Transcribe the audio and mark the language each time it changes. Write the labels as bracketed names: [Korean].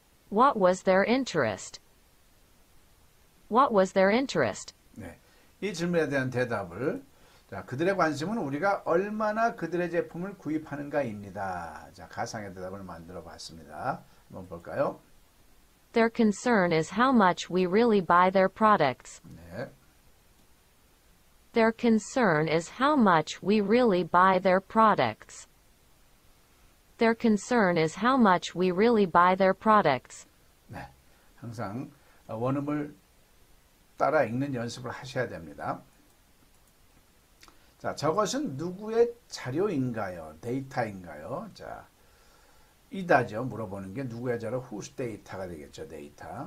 [English] What was their interest? What was their interest? [Korean] 네, 이 질문에 대한 대답을 자, 그들의 관심은 우리가 얼마나 그들의 제품을 구입하는가입니다. 자, 가상의 대답을 만들어 봤습니다. 한번 볼까요? [English] Their concern is how much we really buy their products. [Korean] 네. [English] Their concern is how much we really buy their products. Their concern is how much we really buy their products. [Korean] 네, 항상 원음을 따라 읽는 연습을 하셔야 됩니다. 자, 저것은 누구의 자료인가요? 데이터인가요? 자, 이다죠. 물어보는 게 누구의 자료? [English] Whose data [Korean] 가 되겠죠. 데이터.